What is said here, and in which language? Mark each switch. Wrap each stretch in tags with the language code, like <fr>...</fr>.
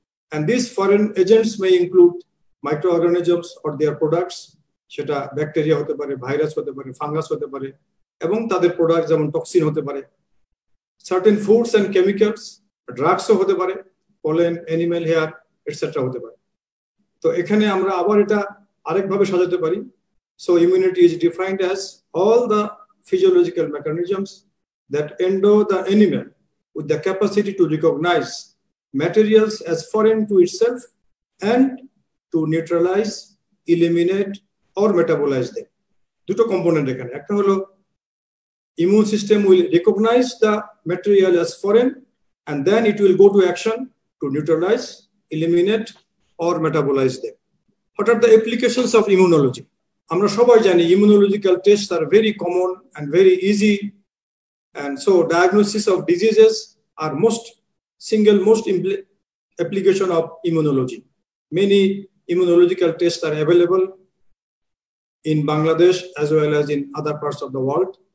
<en>and this foreign agents may include micro organisms or their products,</en> <bn>সেটা bacteria হতে পারে, virus হতে পারে, ফাঙ্গাস হতে পারে, এবং তাদের প্রোডাক্ট যেমন টক্সিন হতে পারে,</bn> <en>certain foods and chemicals,</en> <bn>ড্রাগসও হতে পারে, পলেন, অ্যানিমেল হেয়ার এটসেট্রা হতে পারে। তো এখানে আমরা আবার এটা আরেকভাবে সাজাতে পারি।</bn> <en>So immunity is defined as all the physiological mechanisms that endow the animal with the capacity to recognize materials as foreign to itself and to neutralize, eliminate or metabolize them.</en> <bn>Duto component ekhane ekta holo</bn> <en>immune system will recognize the material as foreign and then it will go to action to neutralize, eliminate or metabolize them. What are the applications of immunology?</en> <bn>আমরা সবাই জানি</bn> <en>Immunological test are very common and very easy, and so diagnosis of diseases are most single most application of immunology. Many immunological test are available in Bangladesh as well as in other parts of the world.</en>